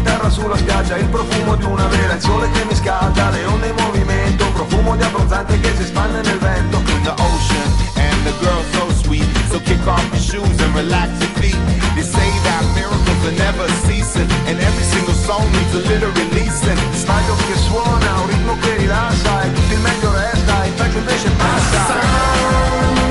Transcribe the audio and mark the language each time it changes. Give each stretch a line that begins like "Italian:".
Italian: sulla spiaggia, il profumo di una vela, il sole che mi scalda, le onde in movimento, profumo di abbronzante che si espande nel vento.
English: The ocean and the girl so sweet, so kick off your shoes and relax your feet. They say that miracles are never ceasing, and every single song needs a little releasing.
Italian: Sbaglio che suona, un ritmo che rilassa, e tutto il meglio resta, il peggio invece passa.